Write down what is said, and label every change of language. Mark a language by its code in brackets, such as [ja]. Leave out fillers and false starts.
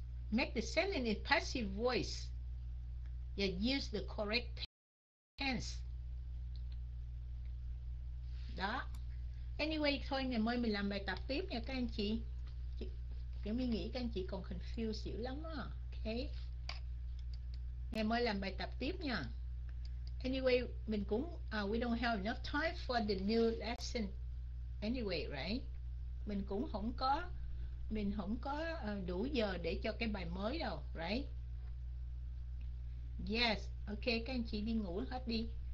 [en] Make the sentence in passive voice and use the correct tense. [vi] Đó. Anyway, thôi ngày mai mình làm bài tập tiếp nha các anh chị. Kiểu mình nghĩ các anh chị còn confused dữ lắm á. Ok. Ngày mai làm bài tập tiếp nha. [en] Anyway, [vi] mình cũng [en] we don't have enough time for the new lesson. Anyway, right? [vi] Mình cũng không có đủ giờ để cho cái bài mới đâu, right? Yes. Ok, các anh chị đi ngủ hết đi.